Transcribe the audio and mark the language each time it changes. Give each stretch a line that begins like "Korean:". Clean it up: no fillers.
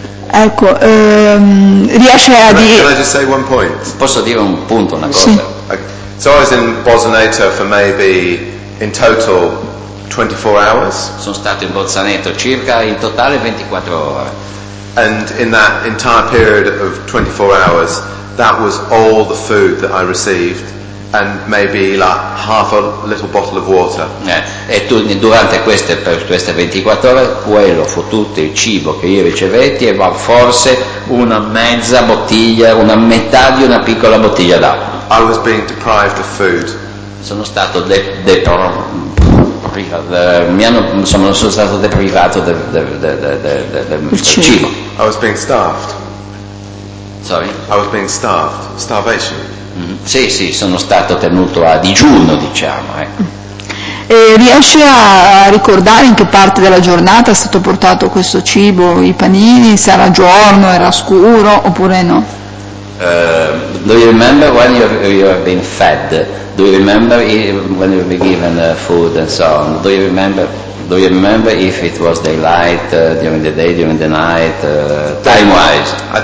Italian: Ecco, riesce a dire...
English: Can I just say one point?
Italian: Posso dire un punto, una cosa? Sì.
English: Okay. So I was in Bolzaneto for maybe, in total... 24 hours.
Italian: Sono stato in Bolzaneto circa in totale 24 ore.
English: And in that entire period of 24 hours, that was all the food that I received, and maybe like half a little bottle of water.
Italian: E tu, durante queste, per queste 24 ore, quello fu tutto il cibo che io ricevetti, e forse una mezza bottiglia, una metà di una piccola bottiglia d'acqua.
English: I was being deprived of food.
Italian: Sono stato deprivato del cibo.
English: I was being starved. Sorry? I was being starved. Starvation.
Italian: Sì, sono stato tenuto a digiuno, diciamo. E riesce a ricordare in che parte della giornata è stato portato questo cibo, i panini? Se era giorno, era scuro, oppure no?
English: Do you remember when you have been fed? Do you remember when you were given food and so on? Do you remember if it was daylight during the day, during the night, time-wise?